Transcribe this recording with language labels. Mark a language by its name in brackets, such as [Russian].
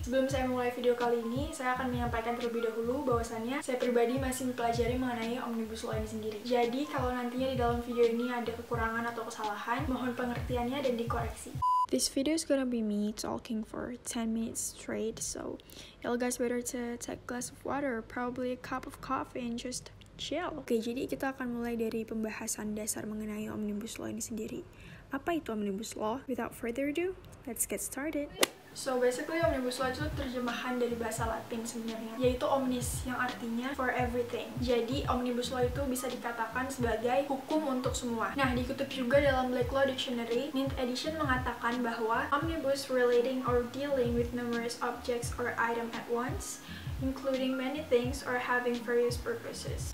[Indonesian] Sebelum saya mulai video kali ini, saya akan menyampaikan terlebih dahulu bahwasannya saya pribadi masih mempelajari mengenai Omnibus Law ini sendiri. Jadi kalau nantinya di dalam video ini ada kekurangan atau kesalahan, mohon pengertiannya dan dikoreksi. [English] This video is gonna be me talking for 10 minutes straight, so y'all guys better to take a glass of water, probably a cup of coffee and just chill. [Indonesian] Oke, jadi kita akan mulai dari pembahasan dasar mengenai Omnibus Law ini sendiri. Apa itu Omnibus Law? [English] Without further ado, let's get started. So basically [Indonesian] Omnibus Law itu terjemahan dari bahasa Latin sebenarnya, yaitu omnis yang artinya [English] for everything. [Indonesian] Jadi Omnibus Law itu bisa dikatakan sebagai hukum untuk semua. Nah, dikutip juga dalam Black Law Dictionary, Mint Edition mengatakan bahwa [English] omnibus relating or dealing with numerous objects or item at once, including many things or having various purposes.